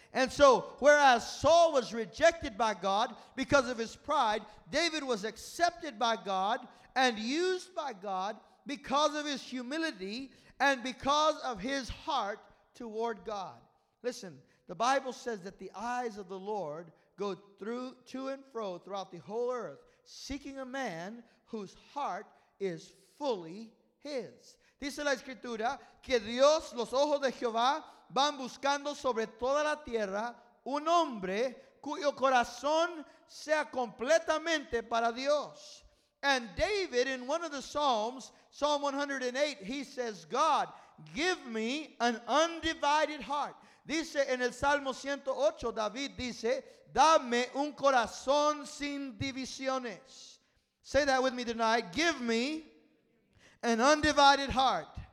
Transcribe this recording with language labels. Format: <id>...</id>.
<en>And so, whereas Saul was rejected by God because of his pride, David was accepted by God and used by God because of his humility and because of his heart toward God. Listen, the Bible says that the eyes of the Lord go through to and fro throughout the whole earth, seeking a man whose heart is fully his.</en> <es>Dice la escritura que Dios, los ojos de Jehová, van buscando sobre toda la tierra un hombre cuyo corazón sea completamente para Dios.</es> <en>And David, in one of the Psalms, Psalm 108, he says, God, give me an undivided heart.</en> <es>Dice en el Salmo 108, David dice, dame un corazón sin divisiones.</es> <en>Say that with me tonight. Give me an undivided heart.</en>